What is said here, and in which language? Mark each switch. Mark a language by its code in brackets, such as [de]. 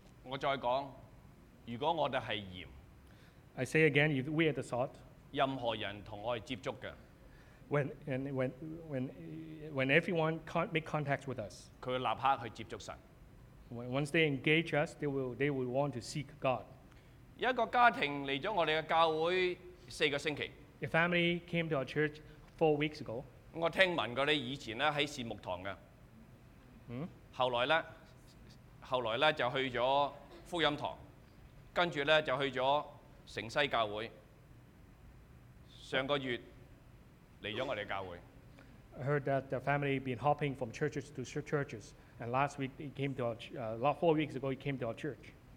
[en] I say again, if we are the salt, [yue] 任何人同我接觸的, [en] when everyone can't make contact with us, [yue] 佢立刻去接觸神。 [en] Once they engage us, they will want to seek God. [yue] 有一個家庭嚟咗我哋嘅教會四個星期。 [en] A family came to our church 4 weeks ago. [yue] 我聽聞過你以前咧喺善牧堂嘅。後來咧就去咗福音堂，跟住咧就去咗城西教會。上個月嚟咗我哋教會。 [en] I heard that the family been hopping from churches to churches, and last week he came to our four weeks ago he came to our church.